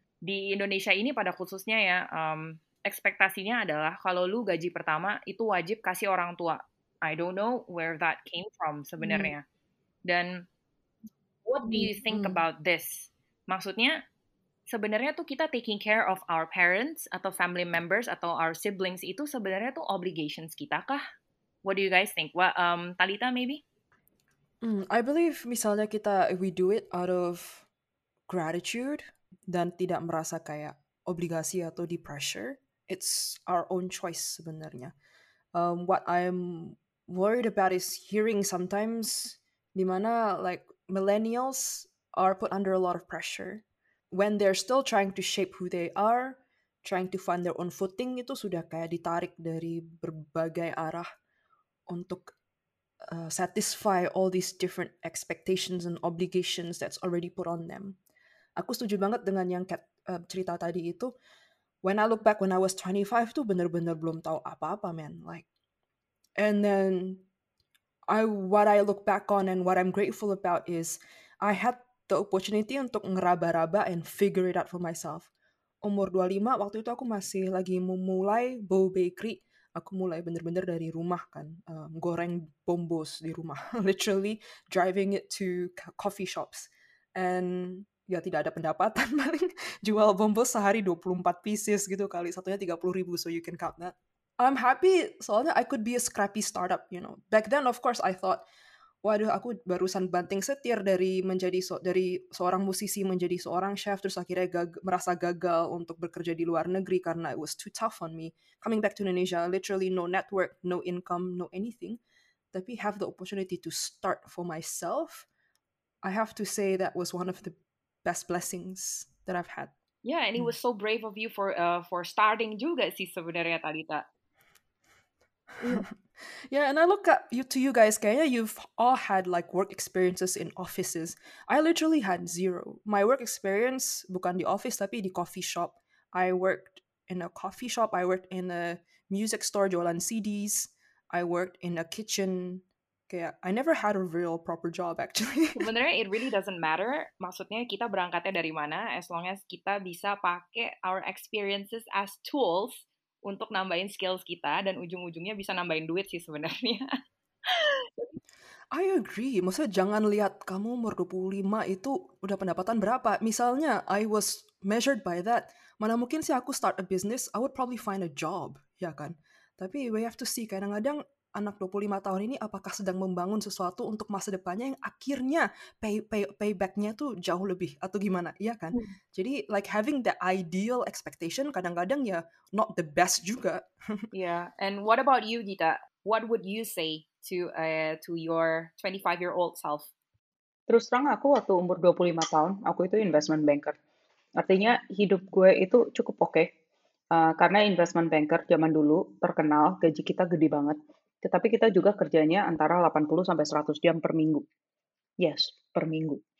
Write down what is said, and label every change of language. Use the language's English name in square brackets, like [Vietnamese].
[Indonesian] Di Indonesia ini pada khususnya ya, ekspektasinya adalah kalau lu gaji pertama itu wajib kasih orang tua. [English] I don't know where that came from [Indonesian] sebenarnya. Dan [English] what do you think about this? [Indonesian] Maksudnya sebenarnya tuh kita [English] taking care of our parents [Indonesian] atau [English] family members atau our siblings [Indonesian] itu sebenarnya tuh [English] obligations [Indonesian] kita kah? [English] What do you guys think? Well, Talita maybe? I believe [Indonesian] misalnya kita [English] we do it out of gratitude [Indonesian] dan tidak merasa kayak obligasi atau di pressure. [English] It's our own choice [Indonesian] sebenarnya. [English] What I'm worried about is hearing sometimes [Indonesian] dimana [English] like millennials are put under a lot of pressure when they're still trying to shape who they are, trying to find their own footing, [Indonesian] itu sudah kayak ditarik dari berbagai arah untuk [English] satisfy all these different expectations and obligations that's already put on them. [Indonesian] Aku setuju banget dengan yang Kat cerita tadi itu. [English] When I look back when I was 25 [Indonesian] tuh bener-bener belum tahu apa-apa, [English] man. Like, and then what I look back on and what I'm grateful about is I had the opportunity [Indonesian] untuk ngeraba-raba [English] and figure it out for myself. [Indonesian] Umur 25, waktu itu aku masih lagi memulai Bow Bakery. Aku mulai bener-bener dari rumah kan. Goreng bombos di rumah. [English] Literally driving it to coffee shops. And [Indonesian] ya tidak ada pendapatan paling. Jual bombos sehari 24 pieces gitu kali. Satunya 30 ribu, [English] so you can count that. I'm happy [Indonesian] soalnya [English] I could be a scrappy startup, you know. Back then, of course, I thought, [Indonesian] waduh, aku barusan banting setir dari seorang musisi menjadi seorang chef, terus akhirnya merasa gagal untuk bekerja di luar negeri karena [English] it was too tough on me. Coming back to Indonesia, literally no network, no income, no anything. [Indonesian] Tapi [English] have the opportunity to start for myself, I have to say that was one of the best blessings that I've had. Yeah, and it was so brave of you for starting [Indonesian] juga sih sebenarnya, [English] Talita. Yeah, and I look at you to you guys, [Indonesian] kayaknya [English] you've all had like work experiences in offices. I literally had zero. My work experience [Indonesian] bukan di office tapi di [English] coffee shop. I worked in a coffee shop, I worked in a music store [Indonesian] jualan [English] CDs, I worked in a kitchen. [Indonesian] Kayak [English] I never had a real proper job actually. [Indonesian] Sebenarnya [English] it really doesn't matter. [Indonesian] Maksudnya kita berangkatnya dari mana [English] as long as [Indonesian] kita bisa pakai [English] our experiences as tools [Indonesian] untuk nambahin skills kita dan ujung-ujungnya bisa nambahin duit sih sebenarnya. [English] I agree. [Indonesian] Maksudnya jangan lihat kamu umur 25 itu udah pendapatan berapa. Misalnya, [English] I was measured by that. [Indonesian] Mana mungkin sih aku [English] start a business, I would probably find a job, [Indonesian] ya kan? Tapi [English] we have to see, [Indonesian] kadang-kadang anak 25 tahun ini apakah sedang membangun sesuatu untuk masa depannya yang akhirnya payback-nya tuh jauh lebih atau gimana, ya kan? Jadi [English] like having the ideal expectation [Indonesian] kadang-kadang ya [English] not the best [Indonesian] juga. [English] Yeah, and what about you, Gita? What would you say to your 25-year-old self? [Indonesian] Terus terang aku waktu umur 25 tahun, aku itu investment banker. Artinya hidup gue itu cukup oke. Karena investment banker zaman dulu terkenal, gaji kita gede banget. Tetapi kita juga kerjanya antara 80 sampai 100 jam per minggu. [English] Yes, [Indonesian] per minggu.